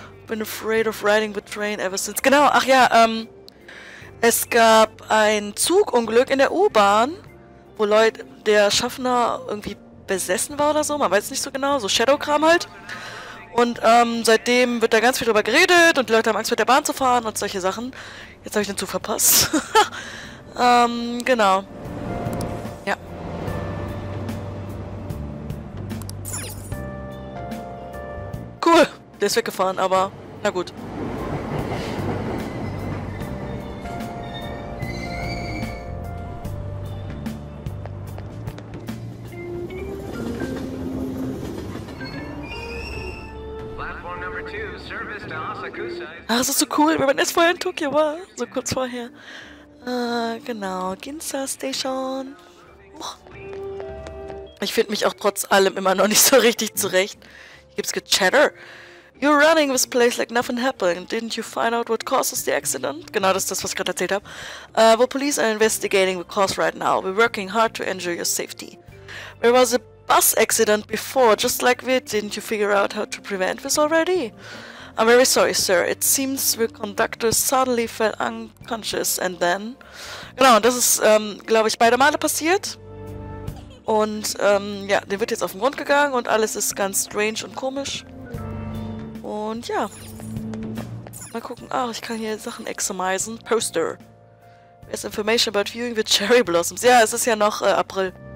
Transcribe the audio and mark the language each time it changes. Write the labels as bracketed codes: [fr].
[en] Been afraid of riding the train ever since. [de] Genau, ach ja, es gab ein Zugunglück in der U-Bahn, wo Leute, der Schaffner irgendwie besessen war oder so, man weiß nicht so genau, so Shadow-Kram halt. Und seitdem wird da ganz viel drüber geredet und die Leute haben Angst, mit der Bahn zu fahren und solche Sachen. Jetzt habe ich den Zug verpasst. genau. Cool, der ist weggefahren, aber na gut. Ach, das ist so cool, wenn man erst vorher in Tokio war, so kurz vorher. Genau, Ginza Station. Oh. Ich finde mich auch trotz allem immer noch nicht so richtig zurecht. Gibt's Gechatter? [en] You're running this place like nothing happened. Didn't you find out what causes the accident? [de] Genau, das ist das, was ich gerade erzählt habe. [en] Well, police are investigating the cause right now. We're working hard to ensure your safety. There was a bus accident before, just like we didn't you figure out how to prevent this already? I'm very sorry, sir. It seems the conductor suddenly fell unconscious and then... [de] Genau, das ist, glaube ich, beide Male passiert. Und ja, der wird jetzt auf den Grund gegangen und alles ist ganz strange und komisch. Und ja. Mal gucken. Ach, ich kann hier Sachen examisen. Poster. [en] There's information about viewing the cherry blossoms. [de] Ja, es ist ja noch April.